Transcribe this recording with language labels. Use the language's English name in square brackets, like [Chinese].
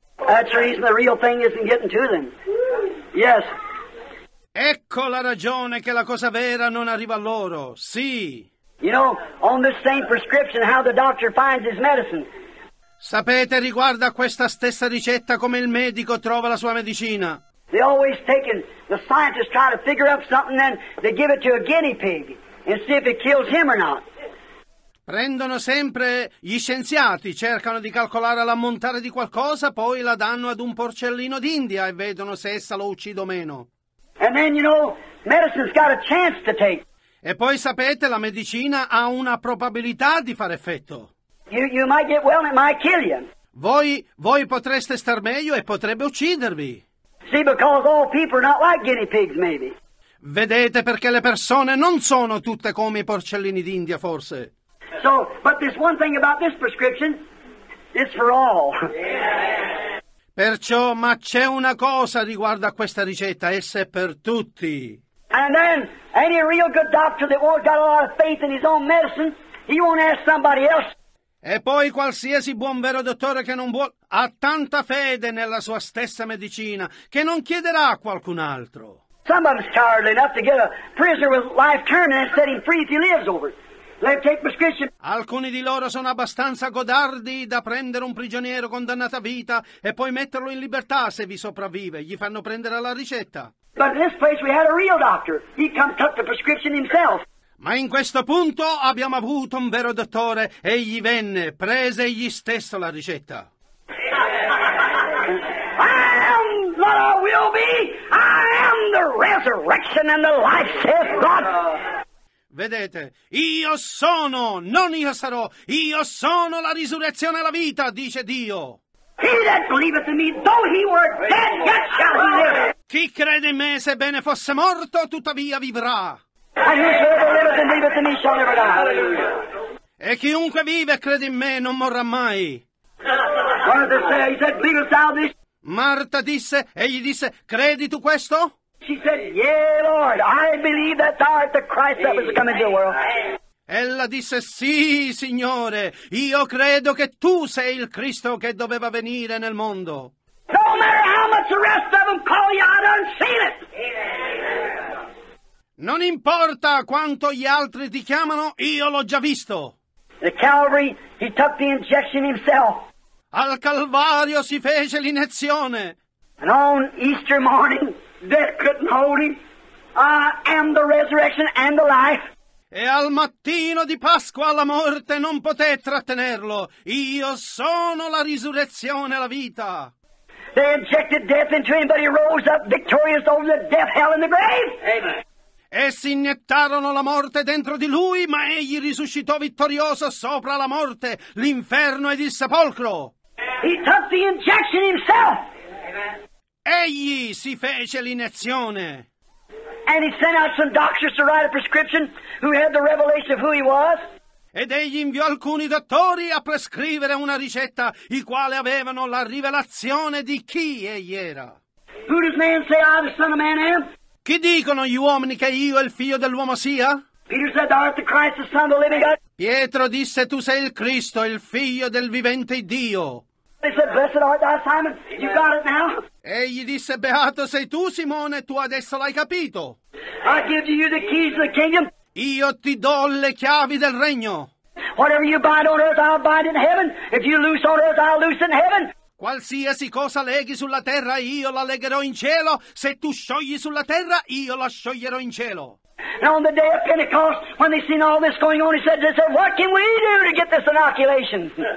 [English] That's the reason the real thing isn't getting to them. Yes. [Italian] Ecco la ragione che la cosa vera non arriva a loro. Sì. [English] You know, on this same prescription, how the doctor finds his medicine. [Italian] Sapete, riguardo a questa stessa ricetta, come il medico trova la sua medicina. [English] They always taken the scientists try to figure up something, then they give it to a guinea pig and see if it kills him or not. [Italian] Prendono sempre gli scienziati, cercano di calcolare l'ammontare di qualcosa, poi la danno ad un porcellino d'India e vedono se essa lo uccide o meno. [English] And then you know, medicine's got a chance to take. [Italian] E poi sapete, la medicina ha una probabilità di fare effetto. [English] You might get well and it might kill you. [Italian] Voi potreste star meglio e potrebbe uccidervi. [English] See, because all people are not like guinea pigs, maybe. [Italian] Vedete, perché le persone non sono tutte come i porcellini d'India, forse. [English] So, but this one thing about this prescription, it's for all. Yeah. [Italian] Perciò, ma c'è una cosa riguardo a questa ricetta, essa è per tutti. [English] And then, any real good doctor that won't got a lot of faith in his own medicine, he won't ask somebody else. [Italian] E poi qualsiasi buon vero dottore che non vuole ha tanta fede nella sua stessa medicina che non chiederà a qualcun altro. [English] Some of them's cowardly enough to get a prisoner with life term and set him free if he lives over. Let him take prescription. [Italian] Alcuni di loro sono abbastanza godardi da prendere un prigioniero condannato a vita e poi metterlo in libertà se vi sopravvive. Gli fanno prendere la ricetta. [English] But in this place we had a real doctor. He come took the prescription himself. [Italian] Ma in questo punto abbiamo avuto un vero dottore, egli venne, prese egli stesso la ricetta. [English] I am what I will be. I am the resurrection and the life, says God. [Italian] Vedete, io sono, non io sarò, io sono la risurrezione e la vita, dice Dio. [English] He that believeth in me, though he were dead, yet shall he live. [Italian] Chi crede in me, sebbene fosse morto, tuttavia vivrà. [English] And whosoever liveth and believeth in me shall never die. [Italian] E chiunque vive e crede in me non morrà mai. [English] What did they say? He said, believest thou this? [Italian] Marta disse, egli disse, credi tu questo? [English] She said, yea, Lord, I believe that thou art the Christ that was to come into the world. [Italian] Ella disse, sì, Signore, io credo che Tu sei il Cristo che doveva venire nel mondo. [English] No matter how much the rest of them call you, I done seen it. [Italian] Non importa quanto gli altri ti chiamano, io l'ho già visto. [English] The Calvary, he took the injection himself. [Italian] Al Calvario si fece l'iniezione. [English] And on Easter morning, death couldn't hold him. I am the resurrection and the life. [Italian] E al mattino di Pasqua la morte non poté trattenerlo. Io sono la risurrezione e la vita. [English] They injected death into him, but he rose up victorious over the death, hell and the grave. Amen. [Italian] Essi iniettarono la morte dentro di lui, ma egli risuscitò vittorioso sopra la morte, l'inferno ed il sepolcro. [English] He took the injection himself. [Italian] Egli si fece l'iniezione. [English] And he sent out some doctors to write a prescription who had the revelation of who he was. [Italian] Ed egli inviò alcuni dottori a prescrivere una ricetta, i quali avevano la rivelazione di chi egli era. [English] Who does man say I, the son of man, am? [Italian] Chi dicono gli uomini che io il figlio dell'uomo sia? [English] Peter said, thou art the Christ, the son of the living God. [Italian] Pietro disse, tu sei il Cristo, il figlio del vivente Dio. [English] He said, blessed art thou, Simon, you got it now. [Italian] Egli disse, beato sei tu, Simone, tu adesso l'hai capito. [English] I give to you the keys of the kingdom. [Italian] Io ti do le chiavi del regno. [English] Whatever you bind on earth, I'll bind in heaven. If you loose on earth, I'll loose in heaven. [Italian] Qualsiasi cosa leghi sulla terra, io la legherò in cielo. Se tu sciogli sulla terra, io la scioglierò in cielo. [English] Now on the day of Pentecost, when they seen all this going on, they said, what can we do to get this inoculation?